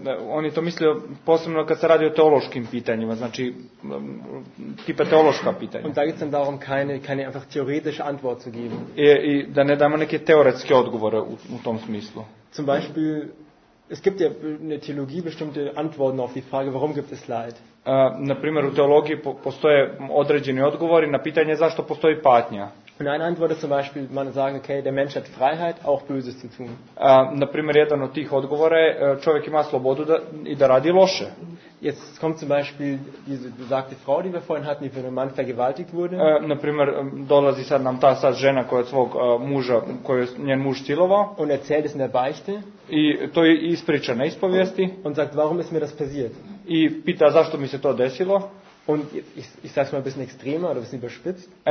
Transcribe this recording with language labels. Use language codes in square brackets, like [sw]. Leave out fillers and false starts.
[sr] Oni to mislio posebno kad se radi o teološkim pitanjima, znači tipa teološka pitanja. [de] Und da geht's dann darum, keine einfach theoretische Antwort zu geben. [sr] I da ne damo neke teoretske odgovore u tom smislu. [de] Zum Beispiel, es gibt ja in der Theologie bestimmte Antworten auf die Frage, warum gibt es Leid? [sr] Na primjer, u teologiji postoje određeni odgovori na pitanje zašto postoji patnja. [de] Und eine Antwort ist zum Beispiel, man sagen, okay, der Mensch hat Freiheit, auch Böses zu tun. [sr] Na primjer, jedan od tih odgovora je, čovjek ima slobodu da, i da radi loše. [de] Jetzt kommt zum Beispiel diese besagte Frau, die wir vorhin hatten, die von einem Mann vergewaltigt wurde. [sr] Na primjer, dolazi sad nam ta sad žena koja svog muža, koju njen muž silovao. [de] Und erzählt es in der Beichte. [sr] I to je ispriča na ispovijesti. [de] Und sagt, warum ist mir das passiert? [sr] I pita zašto mi se to desilo. [de] Und ich sag's mal ein bisschen extremer oder ein bisschen überspitzt.